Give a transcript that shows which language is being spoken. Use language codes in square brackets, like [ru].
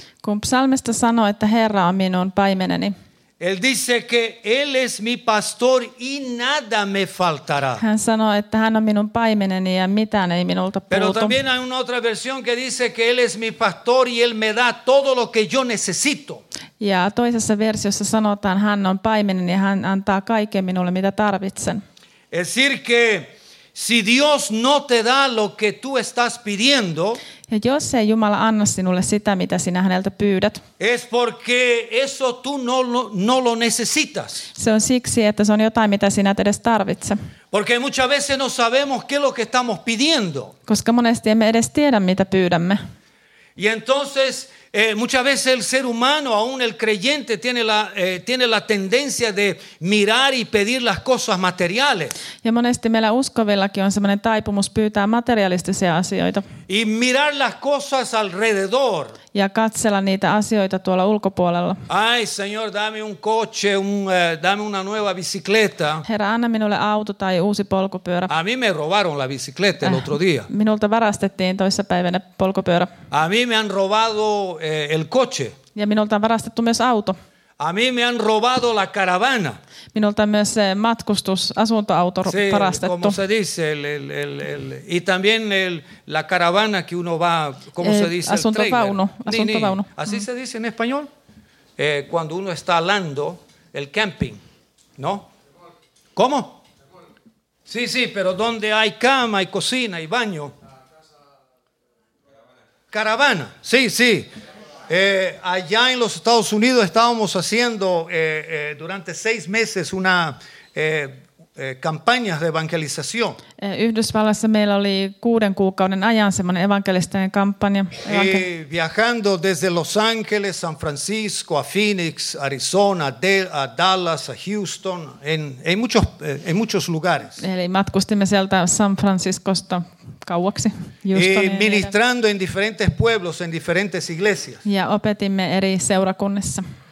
[fi] kun psalmista sanoo, että Herra on minun paimeneni. [es] Él dice que él es mi pastor y nada me faltará. [fi] Hän sanoo, että hän on minun paimeneni ja mitään ei minulta puutu. [es] Pero también hay una otra versión que dice que él es mi pastor y él me da todo lo que yo necesito. [fi] Ja toisessa versiossa sanotaan, hän on paimeneni ja hän antaa kaiken minulle mitä tarvitsen. [es] Es decir que si Dios no te da lo que tú estás pidiendo, [fi] ja jos ei Jumala anna sinulle sitä, mitä sinä häneltä pyydät, [es] es porque eso tú no lo necesitas. [fi] Se on siksi, että se on jotain, mitä sinä et edes tarvitse. [es] Porque muchas veces no sabemos qué es lo que estamos pidiendo. [fi] Koska monesti emme edes tiedä, mitä pyydämme. [es] Y entonces, muchas veces el ser humano, aún el creyente, tiene la tendencia de mirar y pedir las cosas materiales. [fi] Ja monesti meillä uskovillakin on semmoinen taipumus pyytää materialistisia asioita. [es] Y mirar las cosas alrededor. [fi] Ja katsella niitä asioita tuolla ulkopuolella. [es] Ay, señor, dame un coche, dame una nueva bicicleta. [fi] Herra, anna minulle auto tai uusi polkupyörä. [es] A mí me robaron la bicicleta el otro día. [fi] Minulta varastettiin toissa päivänä polkupyörä. [es] A mí me han robado el coche. [fi] Ja minulta on varastettu myös auto. [es] A mí me han robado la caravana. [fi] Minulta on myös matkustusasuntoauto varastettu. [es] Sí, como se dice, y también la caravana que uno va, como se dice, [fi] asuntovaunu. Asuntovaunu. [es] Niin. Así se dice en español. Cuando uno está hablando, el camping, ¿no? ¿Cómo? Sí, pero donde hay cama, hay cocina, hay baño. Caravana, sí. Allá en los Estados Unidos estábamos haciendo durante 6 meses una campaña de evangelización. [fi] Yhdysvallassa meillä oli 6 kuukauden ajan semmoinen evankelistinen kampanja. [es] Viajando desde Los Ángeles, San Francisco, a Phoenix, Arizona, a Dallas, a Houston, en muchos lugares. [fi] Eli matkustimme sieltä San Franciscosta kauaksi. [es] Y ministrando en diferentes pueblos, en diferentes iglesias. [fi] Ja opetimme eri seurakunnissa.